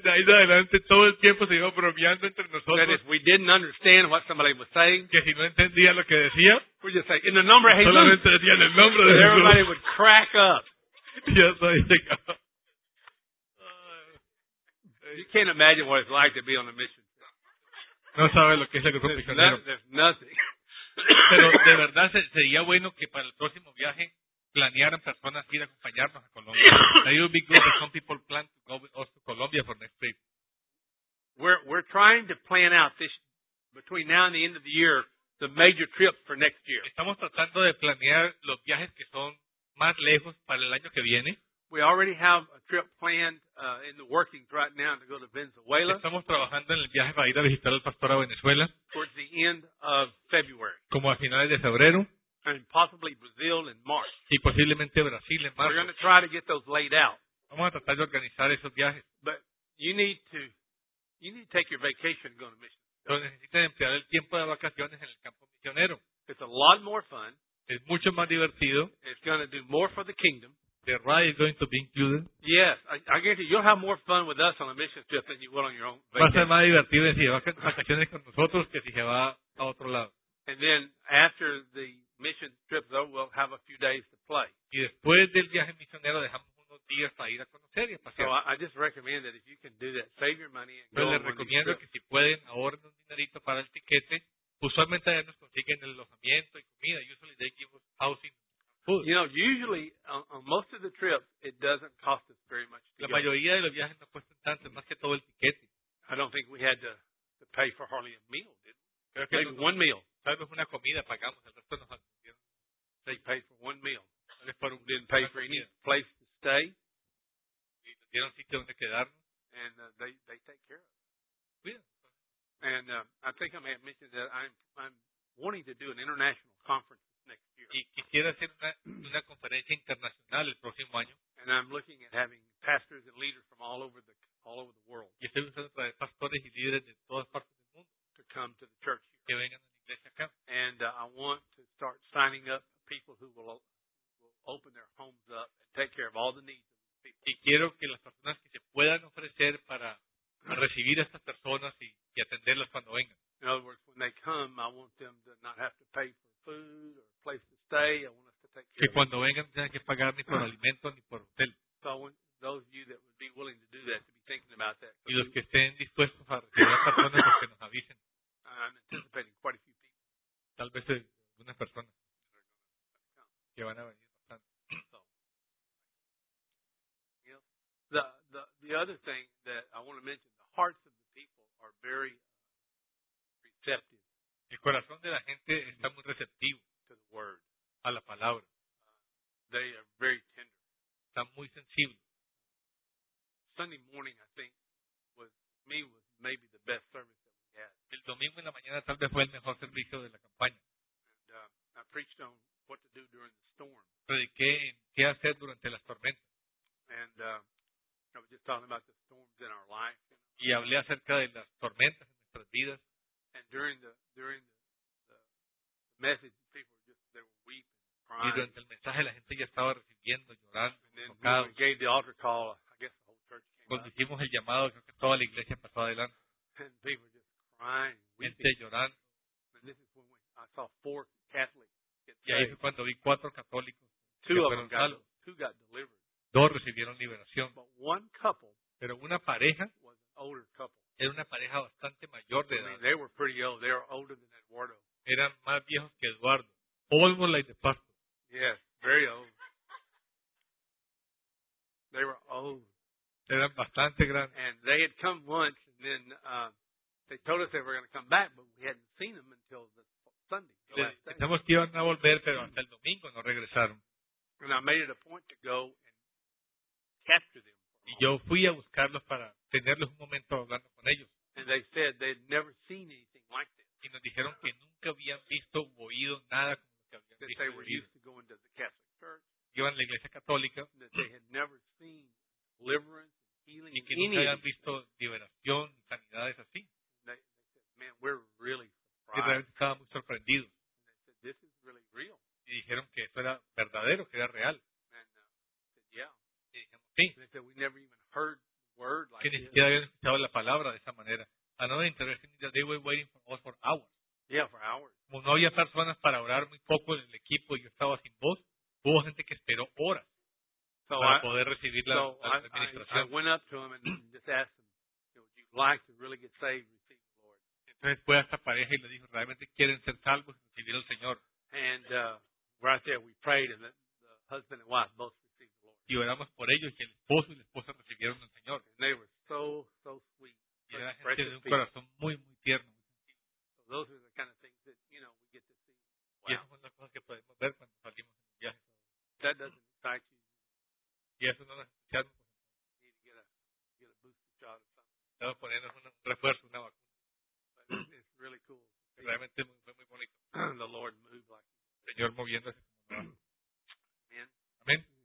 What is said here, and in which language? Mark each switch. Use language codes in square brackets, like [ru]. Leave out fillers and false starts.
[en] if we didn't understand what somebody was saying, [es] que si no entendía lo que decía, [en] we'd just say, in the number of Jesus, [es] solamente en el nombre de [en] Jesús. Everybody would crack up. You can't imagine what it's like to be on a mission. [es] No sabe lo que es el grupo [en] misionero. There's nothing. [es] Pero de verdad sería bueno que para el próximo viaje planearan personas ir a acompañarnos a Colombia. [en] That would be good if some people plan to go with us to Colombia for next trip. We're trying to plan out this between now and the end of the year the major trip for next year. [es] Estamos tratando de planear los viajes que son más lejos para el año que viene. [en] We already have a trip planned in the workings right now to go to Venezuela. [es] Estamos trabajando en el viaje para ir a visitar al pastor a Venezuela. [en] Towards the end of February. [es] Como a finales de febrero. [en] And possibly Brazil in March. [es] Y posiblemente Brasil en marzo. [en] We're going to try to get those laid out. [es] Vamos a tratar de organizar esos viajes. [en] But you need to take your vacation and go to mission. [es] Entonces necesitan emplear el tiempo de vacaciones en el campo misionero. [en] It's a lot more fun. [es] Es mucho más divertido. [en] It's going to do more for the kingdom. The ride is going to be included. Yes, I guess you'll have more fun with us on a mission trip than you will on your own vacation. [es] Va a ser más divertido si va a vacaciones con nosotros que si se va a otro lado. [en] And then after the mission trip, though, we'll have a few days to play. [es] Y después del viaje misionero dejamos unos días para ir a conocer y a pasear. [en] So I just recommend that if you can do that, save your money and [es] pero [en] go. [es] Les recomiendo que si pueden ahorren un dinerito para el tiquete. Usualmente ya nos consiguen el alojamiento y comida. [en] Usually they give us housing. You know, usually on most of the trips, it doesn't cost us very much. [es] La mayoría de los viajes no cuestan tanto, más que todo el tiquete. [en] I don't think we had to pay for hardly a meal, did we? Maybe one meal. [es] Tal vez una comida pagamos, el resto nos dieron. [en] They paid for one meal. We didn't pay for any place to stay. [es] Y nos dieron sitio donde quedarnos. [en] And they take care of us. And I think I may have mentioned that I'm wanting to do an international conference. [es] Y quisiera hacer una conferencia internacional el próximo año. [en] And I'm looking at having pastors and leaders from all over the world. [es] Y estoy buscando traer pastores y líderes de todas partes del mundo. [en] To come to the church. [es] Que vengan a la iglesia acá. [en] And I want to start signing up people who will open their homes up and take care of all the needs of the people. [es] Y quiero que las personas que se puedan ofrecer para recibir a estas personas y atenderlas cuando vengan. [en] In other words, when they come, I want them to not have to pay for food or place to stay. I want us to take care [es] que cuando vengan no tengan que pagar ni por alimento ni por hotel. [en] So I want those of you that would be willing to do that to be thinking about that. [es] Y los que estén dispuestos a recibir a personas pues que nos avisen. [en] I'm anticipating quite a few people. [es] Tal vez unas personas que van a venir bastante. [en] So, you know, the other thing that I want to mention, the hearts of the people are very receptive. [es] El corazón de la gente está muy receptivo [en] to the word. [es] A la palabra. [en] They are very tender. [es] Están muy sensibles. [en] Sunday morning, I think, was maybe the best service that we had. [es] El domingo en la mañana tal vez fue el mejor servicio de la campaña. [en] And, I preached on what to do during the storm. [es] Prediqué en qué hacer durante las tormentas. [en] And I was just talking about the storms in our life. [es] Y hablé acerca de las tormentas en nuestras vidas. [en] And during the message, they were weeping, crying. [es] Y durante el mensaje, la gente ya estaba recibiendo, llorando. [en] And then when we gave the altar call, I guess the whole church came. [es] Cuando hicimos el llamado, creo que toda la iglesia pasó adelante. [en] And people were just crying, weeping. [es] Gente llorando. [en] And this is when I saw four Catholics get saved. [es] Y ahí fue cuando vi cuatro católicos. [en] Two got delivered. [es] Dos recibieron liberación. [en] But one couple. [es] Pero una pareja. [en] Was an older couple. [es] Era una pareja bastante mayor de edad. [en] They were pretty old. They were older than Eduardo. [es] Eran más viejos que Eduardo. [en] Almost like the pastor. Yes, very old. They were old. [es] Eran bastante grandes. [en] And they had come once, and then they told us they were going to come back, but we hadn't seen them until the Sunday. [es] Pensamos que iban a volver, pero hasta el domingo no regresaron. [en] And I made it a point to go and capture them. [es] Y yo fui a buscarlos para tenerles un momento hablando con ellos. [en] And they said they'd never seen anything like this. [es] Y nos dijeron que nunca habían visto o oído nada como lo que habían visto. [en] That they were used to going to the Catholic Church. [es] Iban a la iglesia católica. [en] That they had never seen deliverance, healing, [es] y que nunca habían visto liberación, sanidades así. [en] They said, man, we're really [es] surprised. Y realmente estaban muy sorprendidos. [en] And they said, this is really real. [es] Y dijeron que esto era verdadero, que era real. [en] And, said, yeah. [es] Y dijimos, sí. [en] And they said, we never even heard word like [es] que ni siquiera habían escuchado la palabra de esa manera. [en] Another interesting thing is that they were waiting for us for hours. Yeah, for hours. [es] Como no había personas para orar muy poco en el equipo y yo estaba sin voz, hubo gente que esperó horas para poder recibir la administración. [en] I went up to them and just asked them, would you like to really get saved and receive the Lord? [es] Entonces fue a esta pareja y le dijo, ¿realmente quieren ser salvos y recibir al Señor? [en] And right there we prayed and the husband and wife both received the Lord. [es] Y oramos por ellos y el esposo y la esposa recibieron al Señor. [en] And they were so sweet. [es] Y era gente de un corazón muy, muy tierno. [en] So those are the kind of things that, you know, we get to see. [es] Y esas son las cosas que podemos ver cuando salimos en el viaje. [en] That doesn't excite you. [es] Y eso no nos escuchamos. [en] You need to get a booster shot or something. [es] Estamos poniendo un refuerzo, una vacuna. [en] But it's really cool. [es] Realmente fue muy bonito. [en] The Lord moved like that. [es] El Señor moviéndose como un amén. Amén.